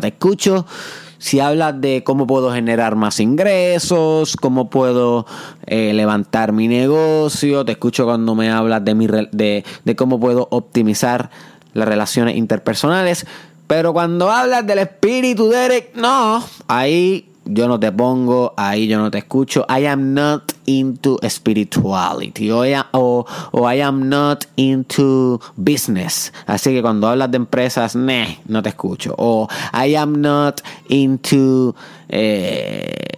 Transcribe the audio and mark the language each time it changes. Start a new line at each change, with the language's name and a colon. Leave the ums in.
Spanish: Te escucho si hablas de cómo puedo generar más ingresos, cómo puedo eh, levantar mi negocio, te escucho cuando me hablas de, mi re de, de, cómo puedo optimizar las relaciones interpersonales, pero cuando hablas del espíritu Derek, no, ahí yo no te pongo, ahí yo no te escucho.
English: I am not into spirituality. O, o, o I am not into business.
Spanish: Así que cuando hablas de empresas, ne, no te escucho. O
English: I am not into
Spanish: eh,